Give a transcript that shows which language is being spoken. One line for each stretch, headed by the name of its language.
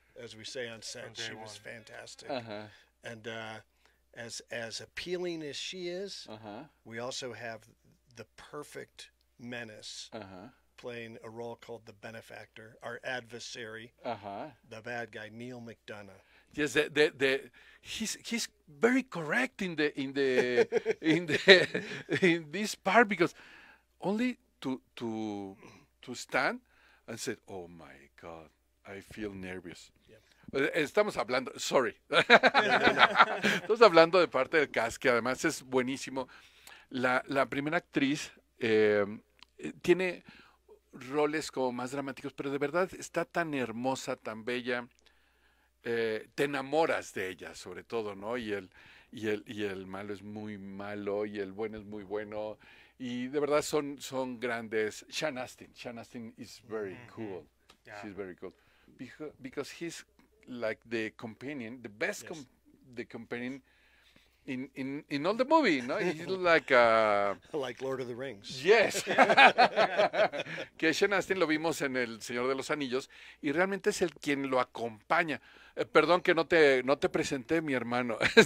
English: As we say on set, she was fantastic. Uh-huh. And as appealing as she is, we also have the perfect menace playing a role called the benefactor, our adversary, the bad guy, Neil McDonough. Yes, the he's very correct in this part, because only to stand and say, oh my God, I feel nervous.
Spanish: Estamos hablando, sorry, estamos hablando de parte del cast, que además es buenísimo. La primera actriz tiene roles como más dramáticos, pero de verdad está tan hermosa, tan bella, te enamoras de ella sobre todo, ¿no? Y el malo es muy malo y el bueno es muy bueno. Y de verdad son grandes.
English: Sean Astin is very cool. Yeah. She's very cool. Because he's like the companion, the best the companion in all the movie, no? He's like Lord of the Rings. Yes.
Spanish: Que Sean Astin lo vimos en El Señor de los Anillos y realmente es el quien lo acompaña. Perdón que no te presenté, mi hermano.